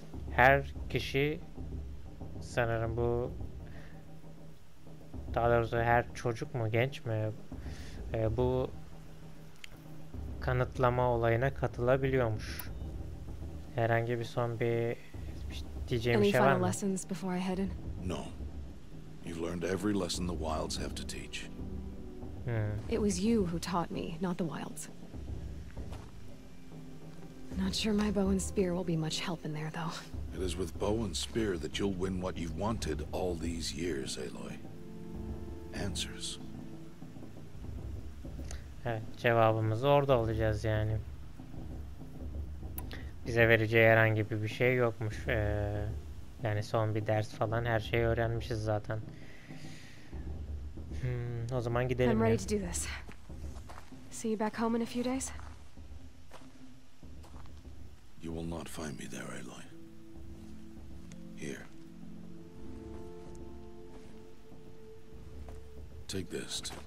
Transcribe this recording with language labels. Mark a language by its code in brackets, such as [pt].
[tr] Her kişi sanırım bu, daha doğrusu her çocuk mu genç mi bu kanıtlama olayına katılabiliyormuş. Herhangi bir son bir diyeceğim bir şey var mı? [en] No. You've learned every lesson the wilds have to teach. It was you who taught me, not the wilds. Not sure my bow and spear will be much help in there though. It is with bow and spear that you'll win what you've wanted all these years, Aloy. Answers. [tr] Evet, cevabımız orada olacağız yani. Bize vereceği herhangi bir şey yokmuş. Yani son bir ders falan, her şeyi öğrenmişiz zaten. O zaman gidelim. [en] I'm ready to do this. See you back home in a few days. You will not find me there, Aloy. Here. Take this.